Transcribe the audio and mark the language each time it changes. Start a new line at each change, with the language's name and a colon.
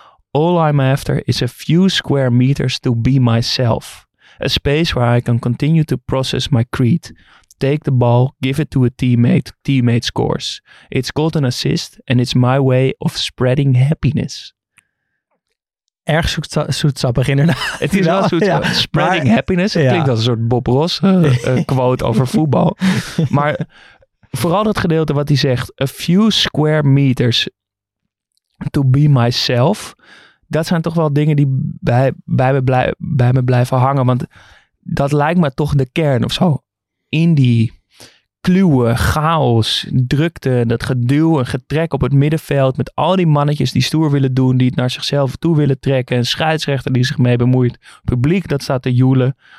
English: All I'm after is a few square meters to be myself. A space where I can continue to process my creed. Take the ball, give it to a teammate, teammate scores. It's called an assist and it's my way of spreading happiness.
Dutch: Erg zoetsappig inderdaad. Het is wel zoetsappig. Ja.
English: Spreading happiness.
Dutch: Het klinkt als een soort Bob Ross quote over voetbal. Maar vooral dat gedeelte wat hij zegt.
English: A few square meters to be myself.
Dutch: Dat zijn toch wel dingen die bij me blijven hangen. Want dat lijkt me toch de kern of zo. In die kluwen, chaos, drukte, dat geduw en getrek op het middenveld met al die mannetjes die stoer willen doen, die het naar zichzelf toe willen trekken, een scheidsrechter die zich mee bemoeit, publiek dat staat te joelen.